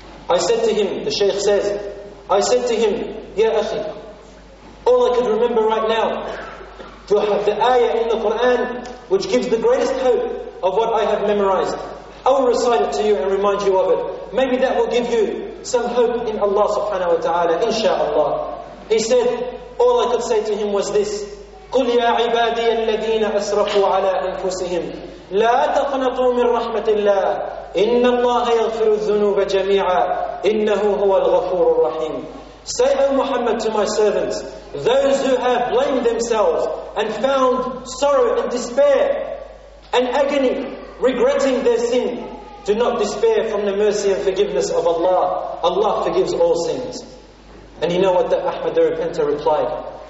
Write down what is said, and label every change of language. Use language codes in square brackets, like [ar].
[en] I said to him, the Shaykh says, I said to him, Ya Akhi, all I could remember right now, the ayah in the Quran which gives the greatest hope of what I have memorized. I will recite it to you and remind you of it. Maybe that will give you some hope in Allah subhanahu wa ta'ala, inshaAllah. He said, all I could say to him was this, [ar] قُلْ يَا عِبَادِيَ الَّذِينَ أَسْرَفُوا عَلَىٰ أَنفُسِهِمْ لَا تَقْنَطُوا مِنْ رَحْمَةِ اللَّهِ إِنَّ اللَّهَ يَغْفِرُ الذُّنُوبَ جَمِيعًا إِنَّهُ هُوَ الْغَفُورُ الرَّحِيمُ. [en] Say, O Muhammad, to my servants, those who have blamed themselves and found sorrow and despair and agony, regretting their sin, do not despair from the mercy and forgiveness of Allah. Allah forgives all sins. And you know what the Ahmad the Repenter replied?